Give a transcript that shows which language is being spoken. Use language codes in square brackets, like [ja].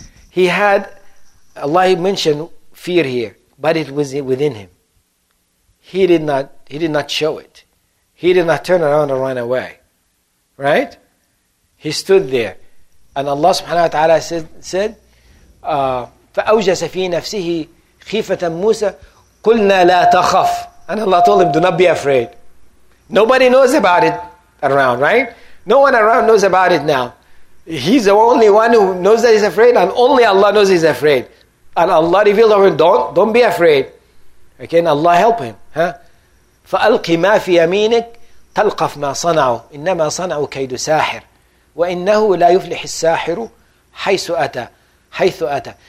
[en] He had, Allah mentioned fear here, but it was within him. He did not show it. He did not turn around and run away. Right? He stood there. And Allah subhanahu wa ta'ala said, [ar] فَأَوْجَسَ فِي نَفْسِهِ خِيفَةً مُوسَى قُلْنَا لَا تَخَفْ. [en] And Allah told him, do not be afraid. Nobody knows about it around, right? No one around knows about it now. He's the only one who knows that he's afraid, and only Allah knows he's afraid. And Allah revealed to him, don't be afraid. Okay, and Allah help him. Huh? [ar] فَأَلْقِ مَا فِي يَمِينِكَ تَلْقَفْ مَا صَنَعُوا إِنَّمَا صَنَعُوا كَيْدُ سَاحِرٍ وَإِنَّهُ لَا يُفْلِحِ السَّاحِرُ حَيْثُ أَتَى.